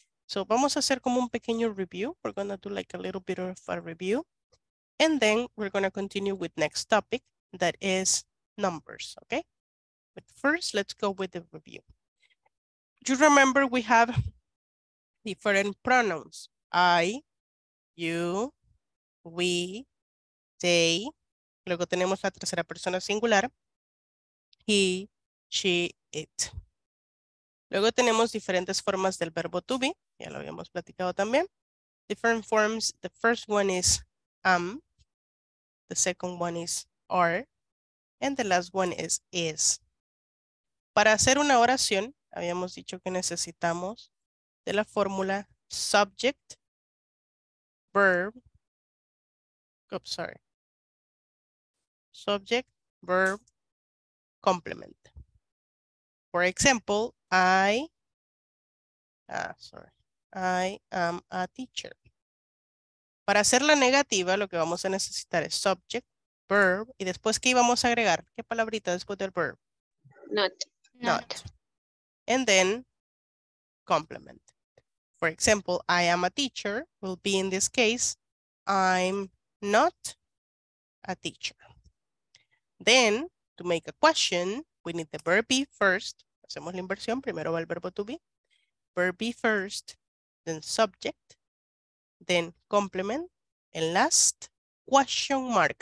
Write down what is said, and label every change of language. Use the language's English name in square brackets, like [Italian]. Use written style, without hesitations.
[Spanish] So vamos a hacer como un pequeño review. [English] We're going to do like a little bit of a review. And then we're going to continue with next topic, that is numbers, okay? But first, let's go with the review. You remember we have different pronouns. I, you, we, they. [Spanish] Luego tenemos la tercera persona singular. [English] He, she, it. [Spanish] Luego tenemos diferentes formas del verbo to be. Ya lo habíamos platicado también. [English] Different forms. The first one is am. The second one is are. And the last one is. [Spanish] Para hacer una oración, habíamos dicho que necesitamos de la fórmula [English] subject, verb, oops, sorry. Subject, verb, complement. For example, I am a teacher. [Spanish] Para hacer la negativa, lo que vamos a necesitar es subject, verb, y después, ¿qué íbamos a agregar? ¿Qué palabrita después del verb? [English] Not. And then, complement. For example, I am a teacher will be in this case, I'm not a teacher. Then, to make a question, we need the verb be first. [Spanish] Hacemos la inversión, primero va el verbo to be. [English] Verb be first, then subject, then complement, and last, question mark.